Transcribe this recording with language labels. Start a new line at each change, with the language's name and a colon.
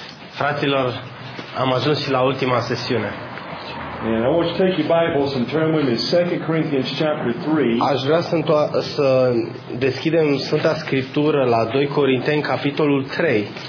Romanian: Fraților, am ajuns și la ultima sesiune.
English: And I want you to take your Bibles and turn with me to 2 Corinthians chapter 3.
Romanian: Aș vrea să deschidem Sfânta Scriptură la 2 Corinteni, capitolul 3.